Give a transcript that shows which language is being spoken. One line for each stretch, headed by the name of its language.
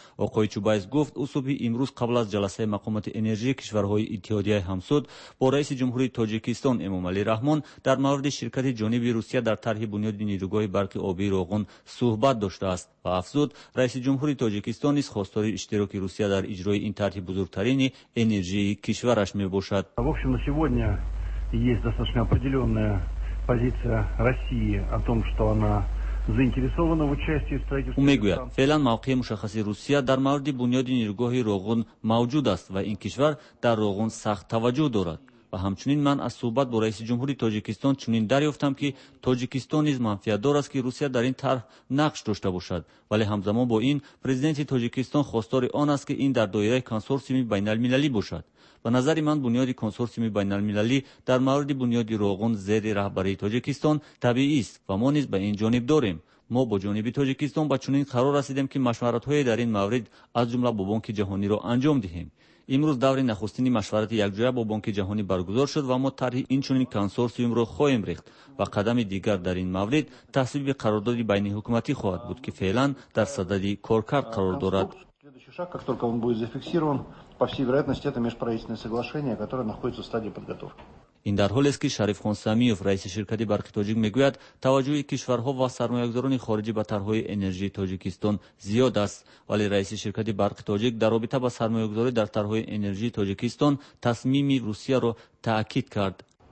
Persian: آقای چوبایس گفت او صبح امروز قبل از جلسه مقامات انرژی کشورهای اتحادیه همسود با رئیس جمهوری تاجیکستان امام علی رحمان در مورد شرکت جانب روسیه در طرح بنیاد نیروگاه برق آبی روغن صحبت داشته است و افزود رئیس جمهوری تاجیکستان نیز خواستار اشتراک روسیه در اجرای این طرح بزرگترین انرژی کشورش می باشد.
Russian: В общем, на сегодня есть достаточно определённая позиция России о том, что она
Persian: او میگوید فعلا موقع مشخصی روسیه در مورد بنیاد نیروگاه روغن موجود است و این کشور در روغن سخت توجه دارد و همچنین من از صحبت با رئیس جمهوری تاجیکستان چنین دریافتم که تاجیکستان نیز منفعت دار است که روسیه در این طرح نقش داشته باشد ولی همزمان با این پرزیدنت تاجیکستان خواستار آن است که این در دایره کنسورسیوم بین المللی باشد و نظری من بنیاد کنسورسیوم بین المللی در مورد بنیاد روغن زیر رهبری تاجیکستان طبیعی است و ما نیز به این جانب داریم. ما با جانب تاجیکستان به چنین قرار رسیدیم که مشورت های در این مورد از جمله با بانک جهانی را انجام دهیم. امروز دور نخستین مشورت یکجایه با بانک جهانی برگزار شد و ما طرح این چنین کنسورسیوم را خواهیم ریخت و قدم دیگر در این مورد تصویب قرارداد بین حکومتی خواهد بود که فعلا در صدد کارکرد قرار دارد.
Russian: По всей вероятности, это межправительственное соглашение, которое находится в стадии подготовки.
Persian: این در حالی است که شریف خان سمیوف رئیس شرکت برق تاجیک میگوید توجه کشورها و سرمایه‌گذاران خارجی به طرح‌های انرژی تاجیکستان زیاد است، ولی رئیس شرکت برق تاجیک در رابطه با سرمایه‌گذاری در طرح‌های انرژی تاجیکستان تصمیم روسیه را تأکید کرد.